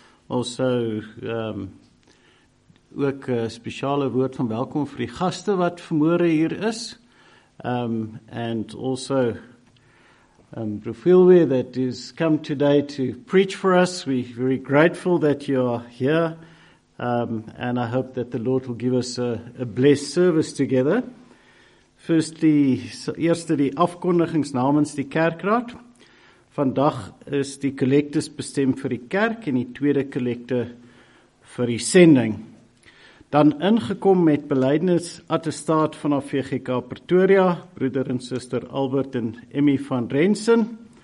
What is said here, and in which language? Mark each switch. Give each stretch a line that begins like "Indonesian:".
Afrikaans: Ons hou ook 'n spesiale woord van welkom vir die gaste wat vanmôre hier is.
English: And also Profilwe that is come today to preach for us. We are very grateful that you are here. And I hope that the Lord will give us a blessed service together.
Afrikaans: Eerste die afkondigings namens die kerkraad. Vandag is die kollektes bestem vir die kerk en die tweede kollekte vir die sending. Dan ingekom met belydenis attestaat vanaf VGK Pretoria, broeder en suster Albert en Emmy van Rensen.